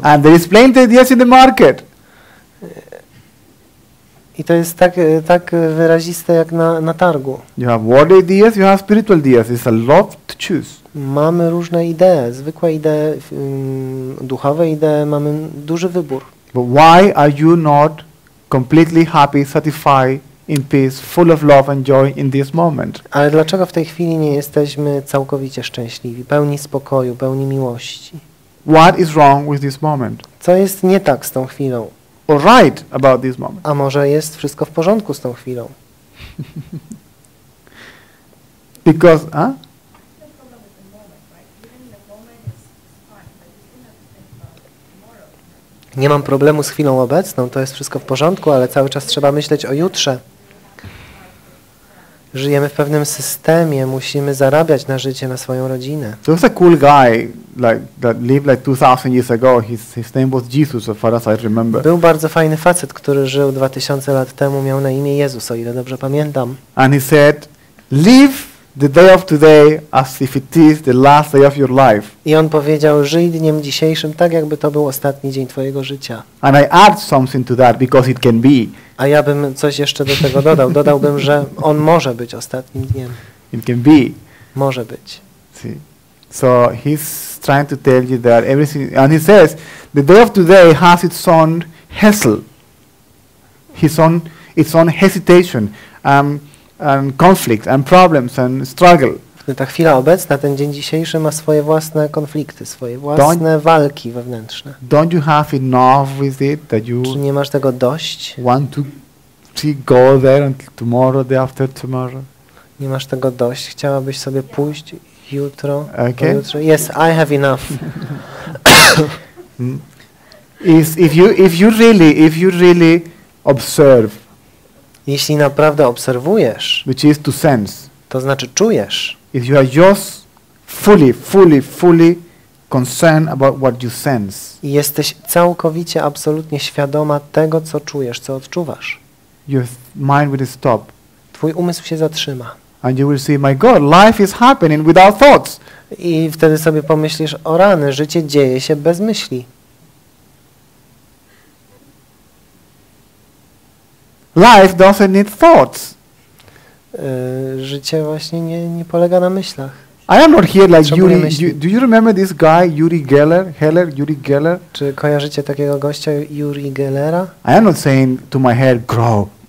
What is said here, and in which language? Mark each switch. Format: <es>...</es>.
<en>And there is plenty of this in the market.</en> <pl>I to jest tak wyraziste jak na targu.</pl> <en>You have worldly ideas, you have spiritual ideas. It's a lot to choose.</en> <pl>Mamy różne idee, zwykłe idee, duchowe idee, mamy duży wybór.</pl> <en>But why are you not completely happy, satisfied, in peace, full of love and joy in this moment?</en> <pl>Ale dlaczego w tej chwili nie jesteśmy całkowicie szczęśliwi, pełni spokoju, pełni miłości?</pl> <en>What is wrong with this moment?</en> <pl>Co jest nie tak z tą chwilą?</pl> <en>All right about this moment.</en> <pl>A może jest wszystko w porządku z tą chwilą?</pl> <en>Because</en> <pl>nie mam problemu z chwilą obecną, to jest wszystko w porządku, ale cały czas trzeba myśleć o jutrze. Żyjemy w pewnym systemie, musimy zarabiać na życie, na swoją rodzinę.</pl> <en>So there's a cool guy like that lived like 2000 years ago. His name was Jesus, as far as I remember.</en> <pl>Był bardzo fajny facet, który żył 2000 lat temu, miał na imię Jezus, o ile dobrze pamiętam.</pl> <en>And he said, live the day of today as if it is the last day of your life.</en> <pl>I on powiedział, żyj dniem dzisiejszym tak, jakby to był ostatni dzień twojego życia.</pl> <en>And I add something to that because it can be.</en> <pl>A ja bym coś jeszcze do tego dodał. Dodałbym, że on może być ostatnim dniem.</pl> <en>It can be.</en> <pl>Może być.</pl> <en>See? So he's trying to tell you that everything, and he says, the day of today has its own hassle, its own hesitation, and conflicts, and problems, and struggle.</en> <pl>Ta chwila obecna, ten dzień dzisiejszy ma swoje własne konflikty, swoje własne walki wewnętrzne.</pl> <en>Don't you have enough with it that you</en> <pl>czy nie masz tego dość?</pl> <en>Want to go there and tomorrow, the after tomorrow?</en> <pl>Nie masz tego dość? Chciałabyś sobie pójść jutro?</pl> <en>Okay. Jutro? Yes, I have enough. if you really observe,</en> <pl>jeśli naprawdę obserwujesz,</pl> <en>which is to sense,</en> <pl>to znaczy czujesz.</pl> <en>If you are just fully concerned about what you sense.</en> <pl>I jesteś całkowicie, absolutnie świadoma tego, co czujesz, co odczuwasz.</pl> <en>Your mind will stop.</en> <pl>Twój umysł się zatrzyma.</pl> <en>And you will see, my God, life is happening without thoughts.</en> <pl>I wtedy sobie pomyślisz, o rany, życie dzieje się bez myśli.</pl> <en>Life doesn't need thoughts.</en> <pl>Życie właśnie nie polega na myślach.</pl> <en>I am not here like Yuri. Do you remember this guy, Yuri Geller?</en> <pl>Czy kojarzycie takiego gościa, Yuri Gellera?</pl> <en>I am not saying to my head, grow.</en>